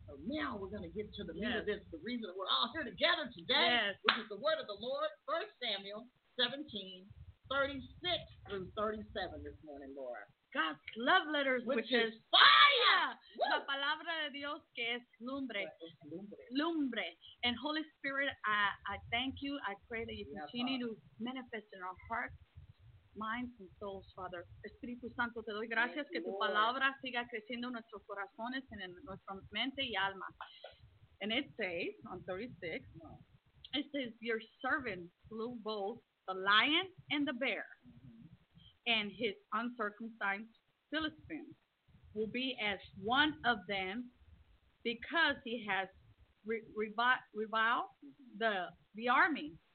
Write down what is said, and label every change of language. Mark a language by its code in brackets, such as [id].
[en] So now we're going to get to the meat of this, the reason that we're all here together today, which is the word of the Lord, 1 Samuel 17, 36 through 37 this morning, Laura. God's love letters, which is fire. Woo! [es] La palabra de Dios que es lumbre. Lumbre. [en] And Holy Spirit, I thank You. I pray that You continue to manifest in our hearts, minds and souls, Father. [es] Espíritu Santo, te doy gracias que tu palabra siga creciendo en nuestros corazones, en nuestra mente y alma. [en] And it says, on 36, it says, your servant slew both the lion and the bear, and his uncircumcised Philistine will be as one of them, because he has reviled the army